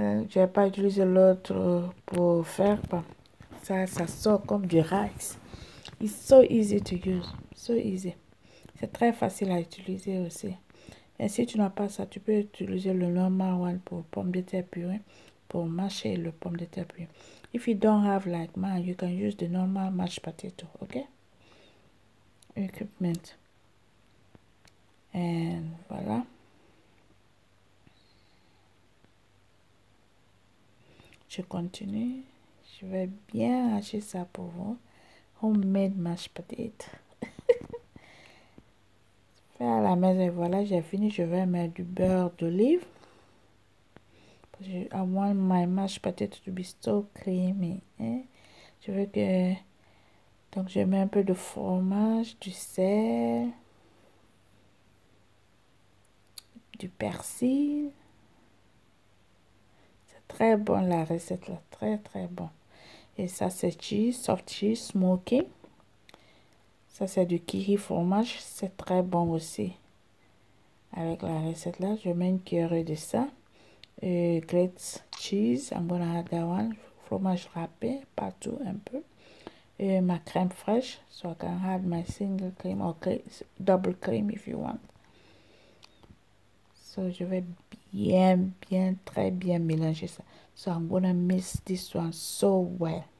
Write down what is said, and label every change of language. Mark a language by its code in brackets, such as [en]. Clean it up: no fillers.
[fr] J'ai pas utilisé l'autre pour faire ça sort comme du rice. [en] It's so easy to use, so easy. [fr] C'est très facile à utiliser aussi. Et si tu n'as pas ça, tu peux utiliser le [en] normal one [fr] pour pommes de terre purée, pour mâcher le pomme de terre purée. [en] If you don't have like mine, you can use the normal mashed potato, ok? [fr] Equipment. Et voilà. Je continue. Je vais bien hacher ça pour vous. [en] Homemade mashed potato. [fr] Fait à la maison. Et voilà, j'ai fini. Je vais mettre du beurre d'olive. [en] I want my mashed potato to be so creamy. [fr] Hein? Je veux que. Donc, je mets un peu de fromage, du sel, du persil. Très bon la recette là, très très bon. Et ça c'est [en] cheese, soft cheese, smoky. [fr] Ça c'est du kiri fromage, c'est très bon aussi. Avec la recette là, je mets une cuillerée de ça. [en] Et grated cheese, I'm gonna add that one. [fr] Fromage râpé partout un peu. Et ma crème fraîche, [en] so I can add my single cream or double cream if you want. [fr] So je vais bien, bien, très bien mélanger ça. [en] So I'm gonna mix this one so well.